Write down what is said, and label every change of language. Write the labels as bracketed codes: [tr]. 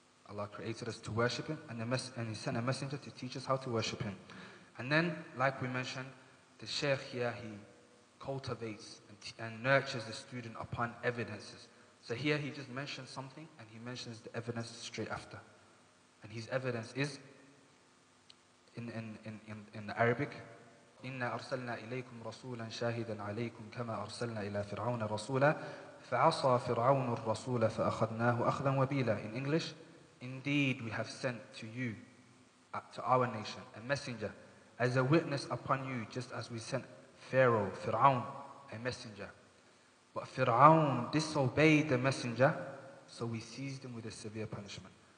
[en] Allah created us to worship Him, and He sent a messenger to teach us how to worship Him. And then, like we mentioned, the Shaykh here, he cultivates and nurtures the student upon evidences. So here he just mentions something, and he mentions the evidence straight after. And his evidence is, in Arabic, [ar] إِنَّا أَرْسَلْنَا إِلَيْكُمْ رَسُولًا شَاهِدًا عَلَيْكُمْ كَمَا أَرْسَلْنَا إِلَى فِرْعَوْنَ رَسُولًا فَعَصَى فِرْعَوْنُ الرَّسُولَ فَأَخَذْنَاهُ أَخْذًا وَبِيلًا. [en] In English, indeed we have sent to you, to our nation, a messenger, as a witness upon you, just as we sent Pharaoh, Fir'aun, a messenger. But Fir'aun disobeyed the messenger, so we seized him with a severe punishment.